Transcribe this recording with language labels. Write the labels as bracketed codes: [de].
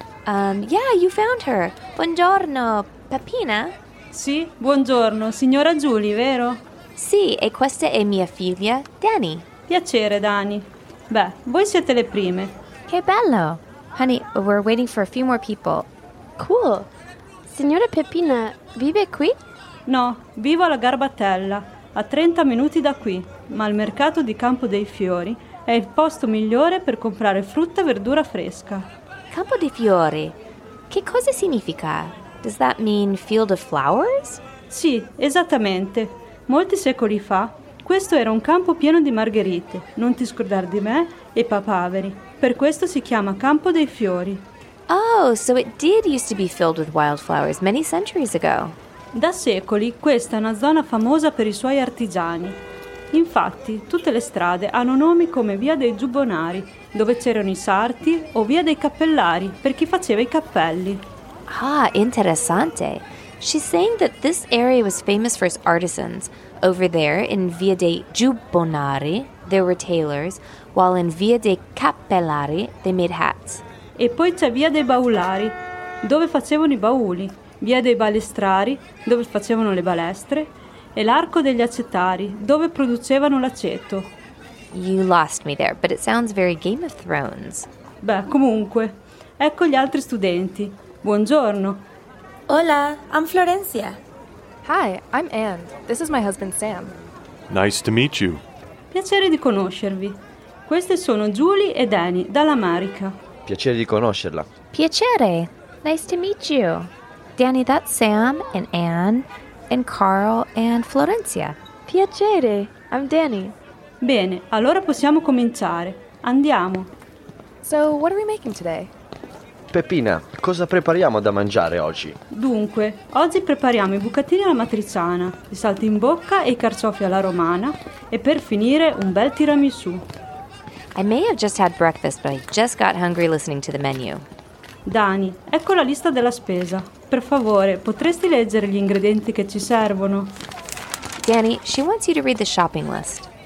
[en] Yeah, you found her. Buongiorno, Peppina. [it] Sì, buongiorno, signora Julie, vero? Sì, e questa è mia figlia, Dani. Piacere, Dani. Beh, voi siete le prime. Che bello. [en] Honey, we're waiting for a few more people. [it] Cool. Signora Peppina, vive qui? No, vivo alla Garbatella, a 30 minuti da qui, ma il mercato di Campo dei Fiori è il posto migliore per comprare frutta e verdura fresca. [en] Campo dei Fiori? [it] Che cosa significa? [en] Does that mean field of flowers? [it] Sì, esattamente. Molti secoli fa, questo era un campo pieno di margherite, non ti scordare di me, e papaveri. Per questo si chiama Campo dei Fiori. [en] Oh, so it did used to be filled with wildflowers many centuries ago. [it] Da secoli, questa è una zona famosa per i suoi artigiani. Infatti, tutte le strade hanno nomi come Via dei Giubbonari, dove c'erano i sarti, o Via dei Cappellari, per chi faceva i cappelli. Ah, interessante. [en] She's saying that this area was famous for its artisans. Over there, in Via dei Giubbonari, there were tailors, while in Via dei Cappellari, they made hats. [it] E poi c'è Via dei Baulari, dove facevano i bauli, Via dei Balestrari, dove facevano le balestre, e l'Arco degli Acetari, dove producevano l'aceto. [en] You lost me there, but it sounds very Game of Thrones. [it] Beh, comunque, ecco gli altri studenti. Buongiorno. [en] Hola, I'm Florencia. Hi, I'm Anne. This is my husband, Sam. Nice to meet you. [it] Piacere di conoscervi. Queste sono Julie e Danny, dall'America. Piacere di conoscerla. [en] Piacere. Nice to meet you. Danny, that's Sam and Anne and Carl and Florencia. Piacere. I'm Danny. [it] Bene, allora possiamo cominciare. Andiamo. [en] So, what are we making today? [it] Peppina, cosa prepariamo da mangiare oggi? Dunque, oggi prepariamo i bucatini alla matriciana, i saltimbocca e i carciofi alla romana e per finire un bel tiramisù. [en] I may have just had breakfast, but I just got hungry listening to the menu. [it] Dani, ecco la lista della spesa. Per favore, potresti leggere gli ingredienti che ci servono? [en] Dani, she wants you to read the shopping list.